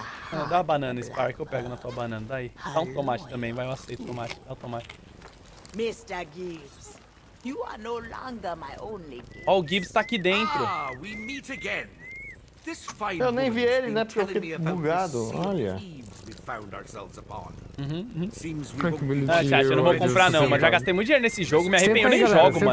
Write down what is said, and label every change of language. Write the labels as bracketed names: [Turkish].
[Portuguese] Não, dá uma banana, Spark, eu pego na tua banana, daí. Dá um tomate também, vai, eu aceito tomate, dá um tomate. [English] Mr. Gibbs, you are no longer my only Gibbs. [Portuguese] Ó, o Gibbs tá aqui dentro. [English] Ah, we meet again. This fine [Portuguese] eu nem vi ele, né, porque eu fiquei bugado, olha. Ah, chat, eu não vou comprar não, mas já gastei muito dinheiro nesse jogo, me arrependo, nem jogo, mano.